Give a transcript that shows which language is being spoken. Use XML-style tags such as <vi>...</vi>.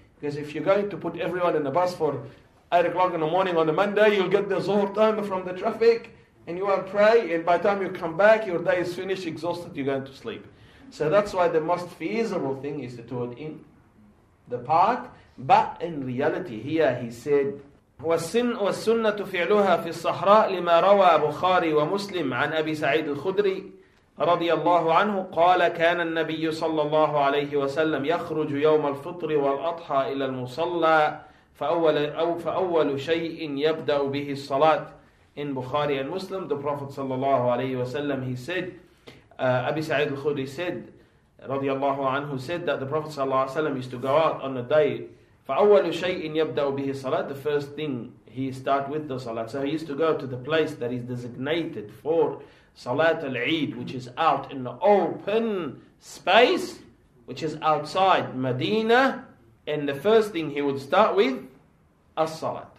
<en>Because if you're going to put everyone in the bus for 8 o'clock in the morning on a Monday, you'll get the Zuhr time from the traffic, and you will pray, and by the time you come back, your day is finished, exhausted, you're going to sleep. So that's why the most feasible thing is to do it in the park. But in reality, here he said,</en> <ar>وَالسُنَّةُ فِعْلُهَا فِي الصَّحْرَاءِ لِمَا رَوَى بُخَارِي وَمُسْلِمْ عَنْ أَبِي سَعِيدِ الْخُدْرِي رضي الله عنه قال كان النبي صلى الله عليه وسلم يخرج يوم الفطر والأضحى إلى المصلى فأول شيء يبدأ به الصلاة</ar> <en>in Bukhari and Muslim. The Prophet صلى الله عليه وسلم, he said, أبي سعيد الخدري said, رضي الله عنه, said that the Prophet صلى الله عليه وسلم used to go out on a day.</en> <ar>فأول شيء يبدأ به الصلاة,</ar> <en>the first thing he start with the صلاة. So he used to go to the place that is designated for Salat al-Eid, which is out in the open space, which is outside Medina, and the first thing he would start with, as-salat.</en>